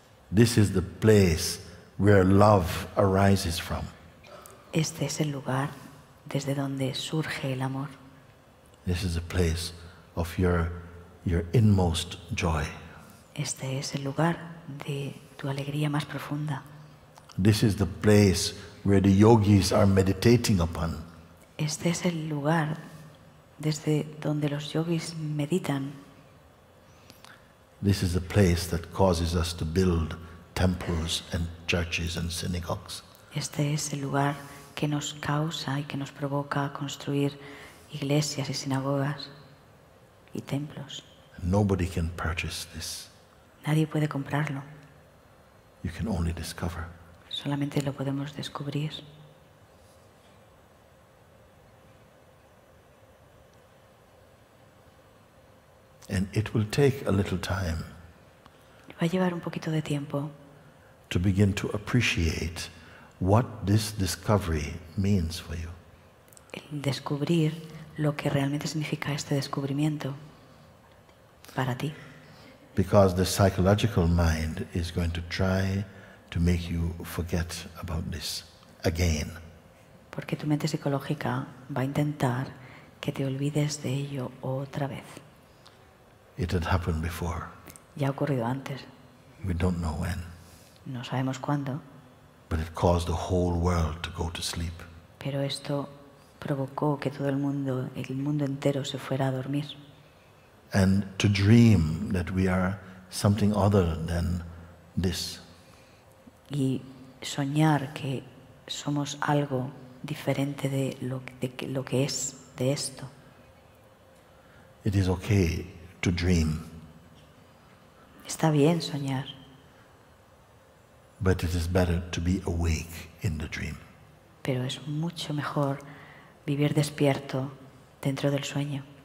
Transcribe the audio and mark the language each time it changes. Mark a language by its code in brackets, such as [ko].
[en] This is the place where love arises from. [es] Este es el lugar desde donde surge el amor. [en] This is the place of your inmost joy. [es] Este es el lugar de tu alegría más profunda. [en] This is the place where the yogis are meditating upon. [es] Este es el lugar desde donde los yogis meditan. [en] This is the place that causes us to build temples and churches and synagogues. [es] Este es el lugar que nos causa y que nos provoca construir iglesias y sinagogas y templos. [en] Nobody can purchase this. [es] Nadie puede comprarlo. [en] You can only discover. [es] Solamente lo podemos descubrir. [en] And it will take a little time. [es] Va a llevar un poquito de tiempo. [en] To begin to appreciate what this discovery means for you. [es] El descubrir lo que realmente significa este descubrimiento para ti. [en] Because the psychological mind is going to try to make you forget about this again. [es] Porque tu mente psicológica va a intentar que te olvides de ello otra vez. [en] It had happened before. [es] Ya ha ocurrido antes. [en] We don't know when. [es] No sabemos cuándo. [en] But it caused the whole world to go to sleep. [es] Pero esto provocó que todo el mundo entero se fuera a dormir. [en] And to dream that we are something other than this. [es] Y soñar que somos algo diferente de lo, de lo que es de esto. [en] It is okay to dream. [es] Está bien soñar. [en] But it is better to be awake in the dream. [es] Pero es mucho mejor vivir despierto dentro del sueño.